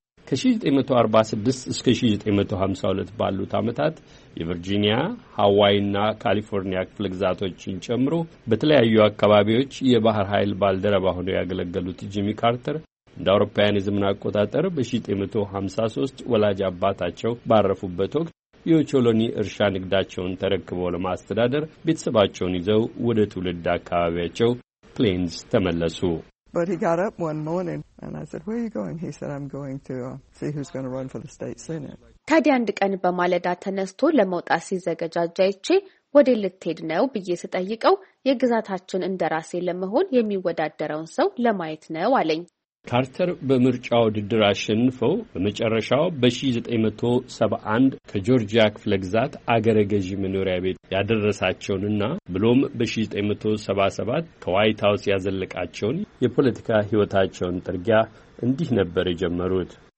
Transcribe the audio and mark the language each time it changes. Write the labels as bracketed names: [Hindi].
[Amharic] ከ1946 እስከ 1952 ባሉት ዓመታት የቨርጂኒያ፣ ሃዋይ እና ካሊፎርኒያ ክፍለ ግዛቶችን ጨምሮ በተለያዩ አካባቢዎች የባህር ኃይል ባልደረባ ሆነው ያገለገሉት ጂሚ ካርተር እንደ አውሮፓውያን የዘመን አቆጣጠር በ1953 ወላጅ አባታቸው ባረፉበት ወቅት የኦቾሎኒ እርሻ ንግዳቸውን ተረክበው ለማስተዳደር ቤተሰባቸውን ይዘው ወደ ትውልድ አካባቢያቸው ፕሌንስ ተመለሱ። [English] But he got up one morning and I said, "Where are you going?" He said, "I'm going to see who's going to run for the state senate." [Amharic] ታዲያ አንድ ቀን በማለዳ ተነስቶ ለመውጣት ሲዘጋጃጃይቺ ወዴት ልትሄድ ነው ብዬ ስጠይቀው የግዛታችን እንደራሴ ለመሆን የሚወዳደረውን ሰው ለማየት ነው አለኝ። ካርተር በምርጫው ውድድር አሸንፈው በመጨረሻው በ1971 ከጆርጂያ ክፍለ ግዛት አገረ ገዢ መኖሪያ ቤት ያደረሳቸውንና ብሎም በ1977 ከዋይት ሀውስ ያዘለቃቸውን የፖለቲካ ሕይወታቸውን ጥርጊያ እንዲህ ነበር የጀመሩት።